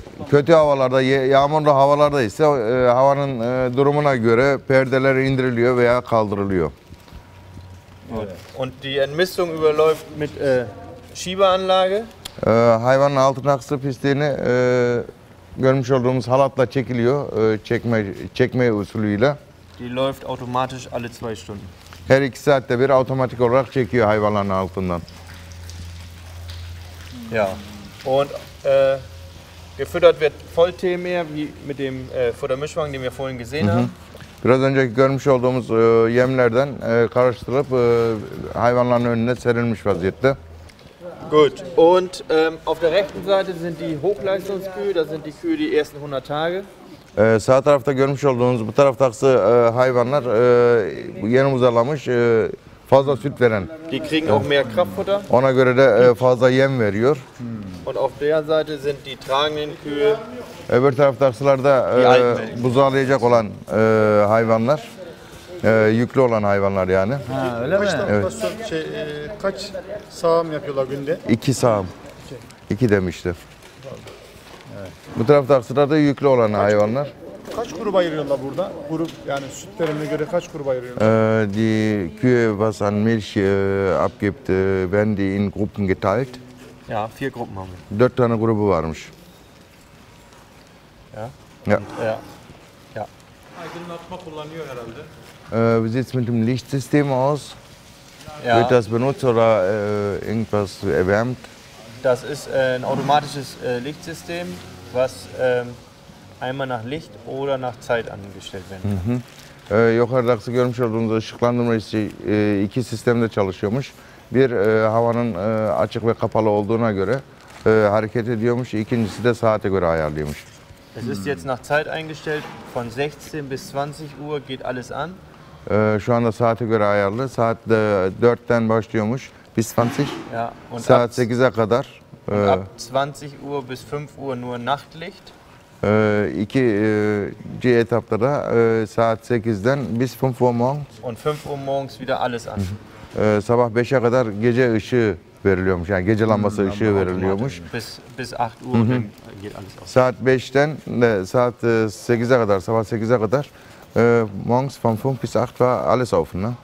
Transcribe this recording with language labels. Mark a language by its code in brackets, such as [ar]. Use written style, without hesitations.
[tr] Kötü havalarda, yağmurlu havalarda ise havanın durumuna göre perdeler indiriliyor veya kaldırılıyor. [de] Und die Entmistung überläuft mit Schiebeanlage. [tr] Hayvanın altındaki pisliğini görmüş olduğumuz halatla çekiliyor, çekme usulüyle. [de] Die läuft automatisch alle zwei Stunden. [tr] Her iki saatte bir otomatik olarak çekiyor hayvanların altından. [de] Ja, und gefüttert wird voll TMR wie mit dem Futtermischwagen, den wir vorhin gesehen haben. [tr] Biraz önceki görmüş olduğumuz yemlerden karıştırılıp hayvanların önüne serilmiş vaziyette. [de] Gut. Und auf der rechten Seite sind die Hochleistungskühe, das sind die Kühe die ersten 100 Tage. [tr] Sağ tarafta görmüş olduğunuz bu taraftaki hayvanlar yeni uzalamış, fazla süt veren. [de] Die kriegen auch mehr Kraftfutter. [tr] Ona göre de fazla yem veriyor. [de] Und auf der Seite sind die tragenden Kühe. [tr] Öbür taraftakilerde buzağlayacak olan hayvanlar, yüklü olan hayvanlar yani. Ha, öyle mi? Evet. Kaç sağım yapıyorlar günde? İki sağım. İki demişti. Evet. Bu taraftakilerde yüklü olan hayvanlar. Kaç gruba ayırıyorlar burada? Grup yani süt verimine göre kaç gruba ayırıyorlar? [de] Die Kühe, was an Milch abgibt, werden die in Gruppen geteilt. Ja, vier Gruppen haben wir. [tr] Dört tane grubu varmış. [de] Ja. Ja. Ja. [tr] Aydınlatma kullanıyor herhalde. [de] Wie sieht es mit dem Lichtsystem aus? Ja. Wird das benutzt oder irgendwas erwärmt? Das ist ein automatisches Lichtsystem, was einmal nach Licht oder nach Zeit angestellt werden kann. [tr] Yukarıdaki görmüş olduğunuz ışıklandırmacı iki sistemde çalışıyormuş. Bir havanın açık ve kapalı olduğuna göre hareket ediyormuş. İkincisi de saate göre ayarlıyormuş. [de] Es ist jetzt nach Zeit eingestellt. Von 16 bis 20 Uhr geht alles an. [tr] Şu anda saate göre ayarlı. Saat 4'ten başlıyormuş. [de] Bis 20. Ja, [tr] und saat 8'e kadar. [de] Ab 20 Uhr bis 5 Uhr nur Nachtlicht. [tr] İkinci etapta da saat 8'den [de] bis 5 Uhr morgens. Und 5 Uhr morgens wieder alles an. [tr] Sabah 5'e kadar gece ışığı veriliyormuş. Yani gece lambası ışığı veriliyormuş. [de] Bis 8 Uhr geht alles aus. [tr] Saat 5'ten de saat 8'e kadar, sabah 8'e kadar [de] Morgens von 5 bis 8 war alles offen, ne?